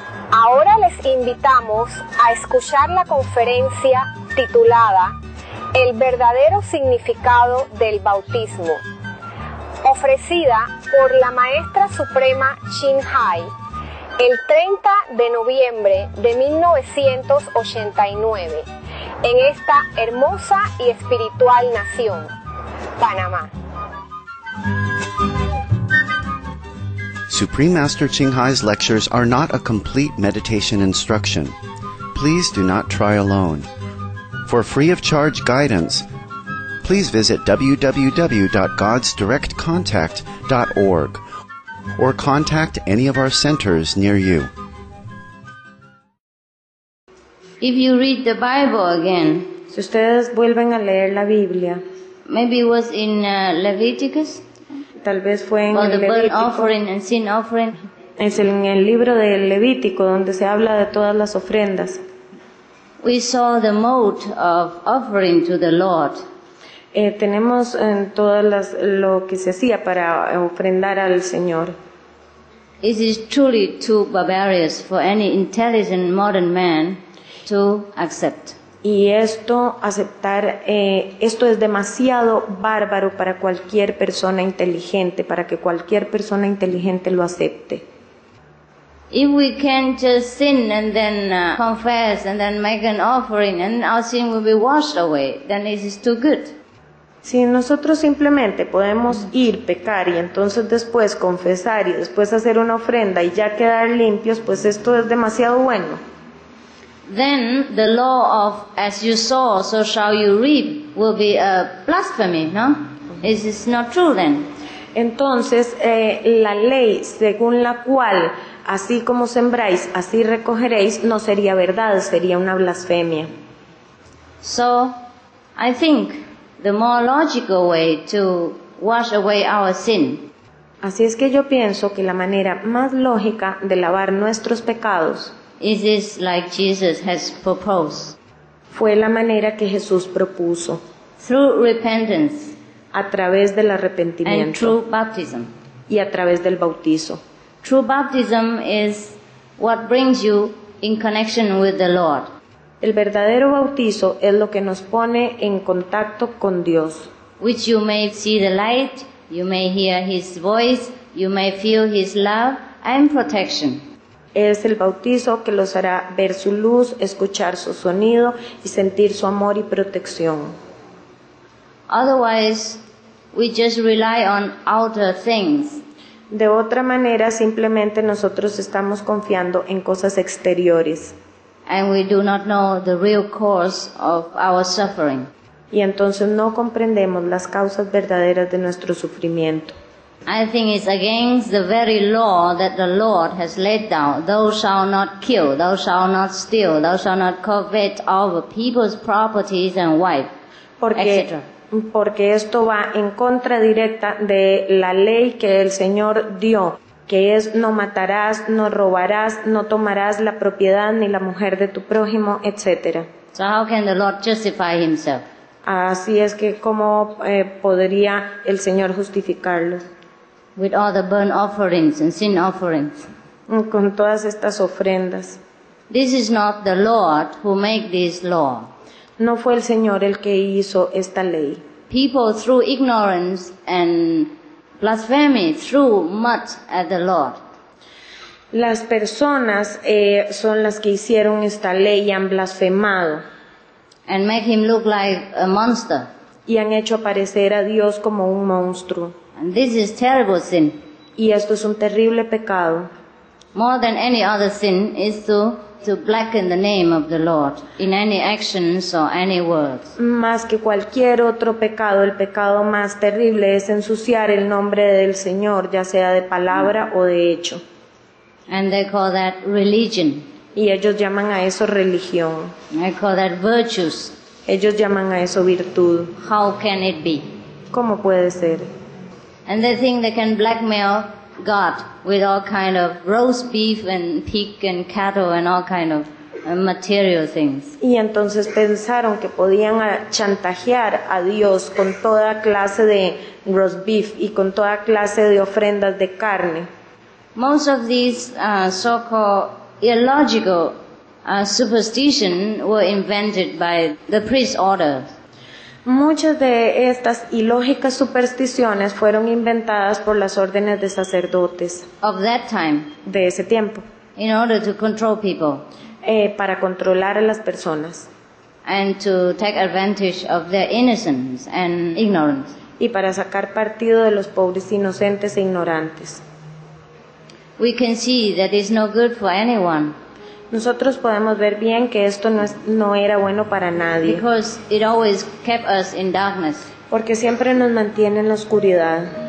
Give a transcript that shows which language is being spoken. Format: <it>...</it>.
<es>Ahora les invitamos a escuchar la conferencia titulada El verdadero significado del bautismo, ofrecida por la Maestra Suprema Chin Hai el 30 de noviembre de 1989 en esta hermosa y espiritual nación, Panamá.</es> <en>Supreme Master Chin Hai's lectures are not a complete meditation instruction. Please do not try alone. For free of charge guidance, please visit www.godsdirectcontact.org or contact any of our centers near you. If you read the Bible again,</en> <es>si ustedes vuelven a leer la Biblia,</es> <en>maybe it was in Leviticus.</en> <es>Tal vez fue en</es> <en>well,</en> <es>el Levítico.</es> <en>Offering and sin offering.</en> <es>Es en el libro del Levítico donde se habla de todas las ofrendas.</es> <en>We saw the mode of offering to the Lord.</en> <es>Tenemos en todas las lo que se hacía para ofrendar al Señor.</es> <en>It is truly too barbarous for any intelligent modern man to accept.</en> <es>Y esto, aceptar, esto es demasiado bárbaro para cualquier persona inteligente, para que cualquier persona inteligente lo acepte.</es> <en>If we can just sin and then confess and then make an offering and our sin will be washed away, then it is too good.</en> <es>Si nosotros simplemente podemos ir, pecar y entonces después confesar y después hacer una ofrenda y ya quedar limpios, pues esto es demasiado bueno.</es> <en>Then the law of as you sow, so shall you reap will be a blasphemy, no? This is not true then.</en> <es>Entonces, la ley según la cual así como sembráis, así recogeréis, no sería verdad, sería una blasfemia.</es> <en>So, I think the more logical way to wash away our sin.</en> <es>Así es que yo pienso que la manera más lógica de lavar nuestros pecados</es> <en>is this like Jesus has proposed?</en> <es>Fue la manera que Jesús propuso.</es> <en>Through repentance.</en> <es>A través del arrepentimiento.</es> <en>And through baptism.</en> <es>Y a través del bautizo.</es> <en>True baptism is what brings you in connection with the Lord.</en> <es>El verdadero bautizo es lo que nos pone en contacto con Dios.</es> <en>Which you may see the light, you may hear his voice, you may feel his love and protection.</en> <es>Es el bautizo que los hará ver su luz, escuchar su sonido y sentir su amor y protección.</es> <en>Otherwise, we just rely on outer things.</en> <es>De otra manera, simplemente nosotros estamos confiando en cosas exteriores.</es> <en>And we do not know the real cause of our suffering.</en> <es>Y entonces no comprendemos las causas verdaderas de nuestro sufrimiento.</es> <en>I think it's against the very law that the Lord has laid down. Thou shalt not kill, thou shalt not steal, thou shalt not covet of people's properties and wife, etc.</en> <es>Porque esto va en contra directa de la ley que el Señor dio, que es no matarás, no robarás, no tomarás la propiedad ni la mujer de tu prójimo, etc.</es> <en>So how can the Lord justify himself?</en> <es>Así es que cómo podría el Señor justificarlo.</es> <en>With all the burnt offerings and sin offerings.</en> <es>Con todas estas ofrendas.</es> <en>This is not the Lord who made this law.</en> <es>No fue el Señor el que hizo esta ley.</es> <en>People through ignorance and blasphemy threw mud at the Lord.</en> <es>Las personas son las que hicieron esta ley y han blasfemado.</es> <en>And make him look like a monster.</en> <es>Y han hecho aparecer a Dios como un monstruo.</es> <en>And this is terrible sin.</en> <es>Y esto es un terrible pecado.</es> <en>More than any other sin is to blacken the name of the Lord in any actions or any words.</en> <es>Más que cualquier otro pecado, el pecado más terrible es ensuciar el nombre del Señor, ya sea de palabra o de hecho.</es> <en>And they call that religion.</en> <es>Y ellos llaman a eso religión.</es> <en>They call that virtues.</en> <es>Ellos llaman a eso virtud.</es> <en>How can it be?</en> <es>¿Cómo puede ser?</es> <en>And they think they can blackmail God with all kind of roast beef and pig and cattle and all kind of material things.</en> <es>Y entonces pensaron que podían chantajear a Dios con toda clase de</es> <en>roast beef</en> <es>y con toda clase de ofrendas de carne.</es> <en>Most of these so-called illogical superstition were invented by the priest order.</en> <es>Muchas de estas ilógicas supersticiones fueron inventadas por las órdenes de sacerdotes</es> <en>of that time,</en> <es>de ese tiempo</es> <en>in order to control people,</en> <es>para controlar a las personas</es> <en>and to take advantage of their innocence and ignorance.</en> <es>Y para sacar partido de los pobres inocentes e ignorantes.</es> <en>We can see that it's no good for anyone.</en> <es>Nosotros podemos ver bien que esto no era bueno para nadie.</es> <en>Because it always kept us in darkness.</en> <es>Porque siempre nos mantiene en la oscuridad.</es>